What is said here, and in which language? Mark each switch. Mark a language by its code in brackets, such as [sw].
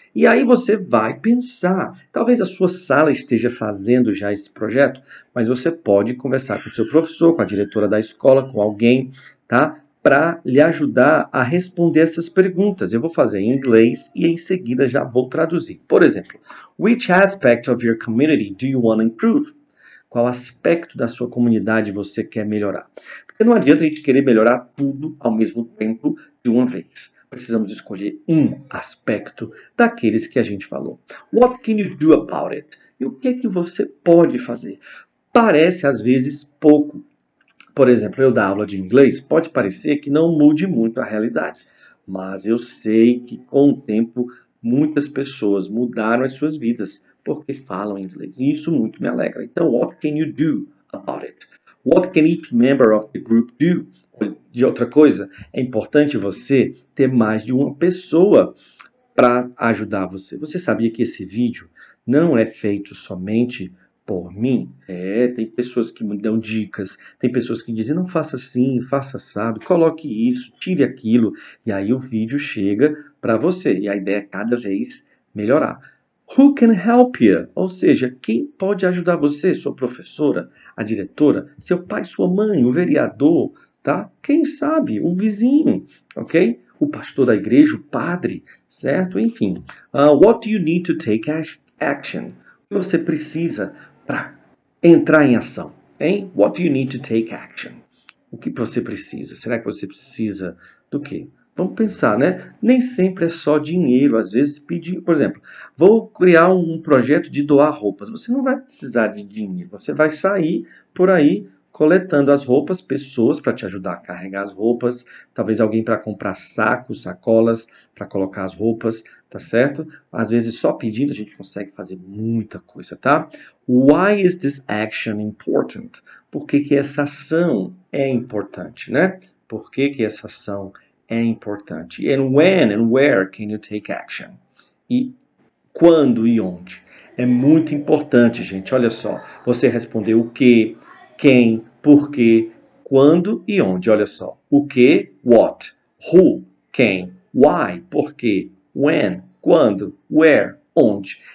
[pt] E aí você vai pensar. Talvez a sua sala esteja fazendo já esse projeto, mas você pode conversar com o seu professor, com a diretora da escola, com alguém, tá? Para lhe ajudar a responder essas perguntas. Eu vou fazer em inglês e em seguida já vou traduzir. Por exemplo, [en] which aspect of your community do you want to improve? [pt] Qual aspecto da sua comunidade você quer melhorar? Porque não adianta a gente querer melhorar tudo ao mesmo tempo de uma vez. Precisamos escolher um aspecto daqueles que a gente falou. [en] What can you do about it? [pt] E o que é que você pode fazer? Parece, às vezes, pouco. Por exemplo, eu dar aula de inglês, pode parecer que não mude muito a realidade. Mas eu sei que, com o tempo, muitas pessoas mudaram as suas vidas. porque falam inglês. E isso muito me alegra. Então, [en] what can you do about it? What can each member of the group do? [pt] E outra coisa, é importante você ter mais de uma pessoa para ajudar você. Você sabia que esse vídeo não é feito somente por mim? Tem pessoas que me dão dicas, tem pessoas que dizem, não faça assim, faça assado, coloque isso, tire aquilo, e aí o vídeo chega para você. E a ideia é cada vez melhorar. [en] Who can help you? [pt] Ou seja, quem pode ajudar você? Sua professora, a diretora, seu pai, sua mãe, o vereador, tá? Quem sabe? Um vizinho, ok? O pastor da igreja, o padre, certo? Enfim. [en] What do you need to take action? [pt] O que você precisa para entrar em ação? Hein? [en] What do you need to take action? [pt] O que você precisa? Será que você precisa do quê? Vamos pensar, né? Nem sempre é só dinheiro. Às vezes, pedir, por exemplo, vou criar um projeto de doar roupas. Você não vai precisar de dinheiro. Você vai sair por aí coletando as roupas, pessoas para te ajudar a carregar as roupas, talvez alguém para comprar sacos, sacolas para colocar as roupas, tá certo? Às vezes, só pedindo a gente consegue fazer muita coisa, tá? [en] Why is this action important? [pt] Por que que essa ação é importante, né? Por que que essa ação é importante? [en] And when and where can you take action? [pt] E quando e onde? É muito importante, gente. Olha só, você respondeu o quê, quem, por quê, quando e onde. Olha só, o quê, what, who, quem, why, por quê, when, quando, where, onde.